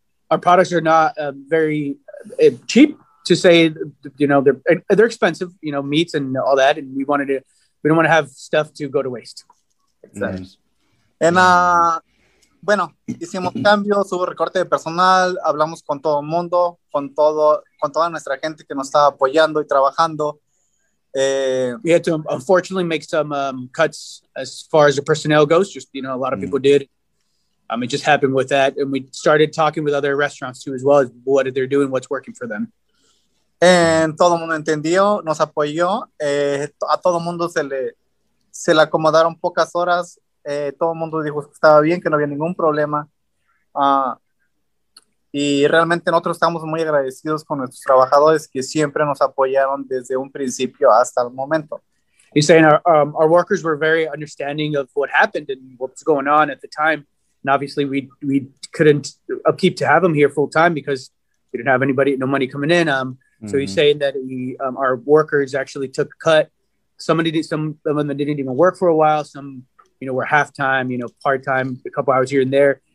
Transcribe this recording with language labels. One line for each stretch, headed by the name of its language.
English: Our products are not very cheap to say, you know, they're expensive, you know, meats and all that, and we don't want to have stuff to go to waste. Exactly. Mm-hmm. And
Spanish: bueno, hicimos cambios, hubo recorte de personal, hablamos con todo el mundo, con toda nuestra gente que nos estaba apoyando y trabajando.
English: We had to unfortunately make some cuts as far as the personnel goes. Just, you know, a lot of people did. It just happened with that. And we started talking with other restaurants too, as well as what they're doing, what's working for them. And
Spanish: todo mundo entendió, nos apoyó. A todo mundo se le acomodaron pocas horas. Todo mundo dijo que estaba bien, que no había ningún problema. Y realmente nosotros estamos muy agradecidos con nuestros trabajadores que siempre nos apoyaron desde un principio hasta el momento.
English: He's saying our workers were very understanding of what happened and what was going on at the time. And obviously we couldn't upkeep to have them here full time because we didn't have anybody, no money coming in. So he's saying that our workers actually took a cut. Some of them didn't even work for a while. Some, you know, were half time, you know, part time, a couple hours here and there.